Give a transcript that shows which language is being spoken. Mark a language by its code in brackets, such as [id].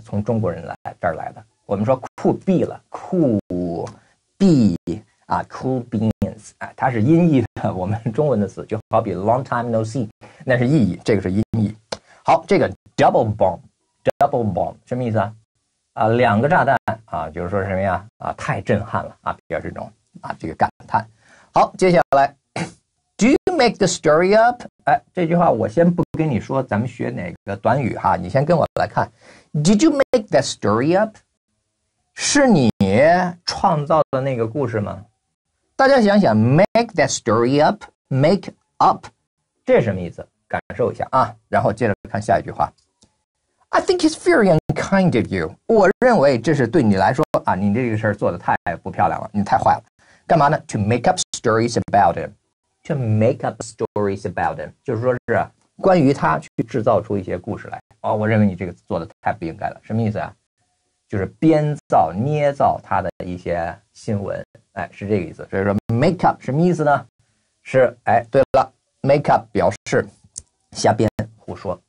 [zh] 从中国人来这儿来的。我们说酷毙了，酷毙啊 ， [en] cool beans [zh] 啊，它是音译的我们中文的词，就好比 [en] long time no see。 [zh] 那是意义，这个是音译。好，这个 double bomb 什么意思啊？啊，两个炸弹啊，就是说什么呀？啊，太震撼了啊，表示这种啊这个感叹。好，接下来 [en] ，Do you make the story up？ [zh] 哎，这句话我先不跟你说，咱们学哪个短语哈？你先跟我来看 [en] ，Did you make that story up？ [zh] 是你创造的那个故事吗？大家想想 ， [en] make that story up， [zh] make up。这是什么意思？感受一下啊，然后接着看下一句话。 [en] I think it's very unkind of you. [zh] 我认为这是对你来说啊，你这个事儿做得太不漂亮了，你太坏了。干嘛呢 [en] ？To make up stories about him. To make up stories about him. [zh] 就是说是关于他去制造出一些故事来。哦，我认为你这个做得太不应该了。什么意思啊？就是编造、捏造他的一些新闻。哎，是这个意思。所以说 make up 什么意思呢？是哎，对了 ，make up 表示瞎编、胡说。